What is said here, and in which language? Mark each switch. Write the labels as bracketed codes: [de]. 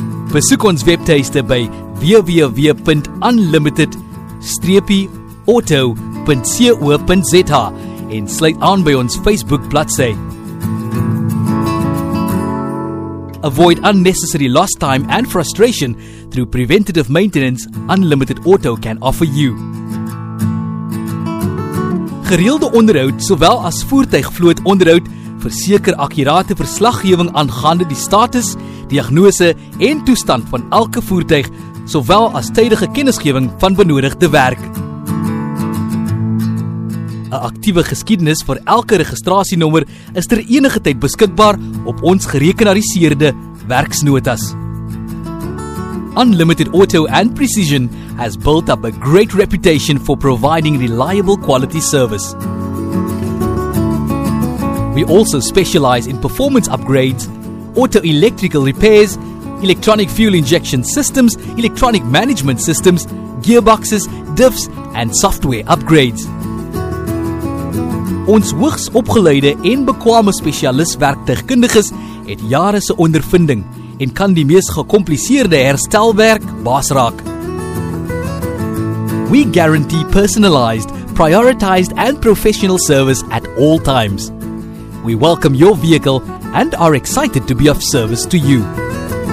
[af] Besoek ons webteiste by www.unlimited-auto.co.za en sluit aan by ons Facebook bladsy. [en] Avoid unnecessary lost time and frustration through preventative maintenance Unlimited Auto can offer you. [af] Gereelde onderhoud sowel as voertuigvloot onderhoud verseker akkurate verslaggewing aangaande die status, diagnose en toestand van elke voertuig, sowel as tydige kennisgewing van benodigde werk. 'N aktiewe geskiedenis vir elke registrasienommer is ter enige tyd beskikbaar op ons gerekenariseerde werksnotas. [en] Unlimited Auto and Precision has built up a great reputation for providing reliable quality service. We also specialize in performance upgrades, auto-electrical repairs, electronic fuel injection systems, electronic management systems, gearboxes, diffs and software upgrades. [af] Ons hoogs opgeleide en bekwame spesialist werktuigkundiges het jare se ondervinding en kan die mees gecompliceerde herstelwerk baas raak. [en] We guarantee personalized, prioritized and professional service at all times. We welcome your vehicle and are excited to be of service to you.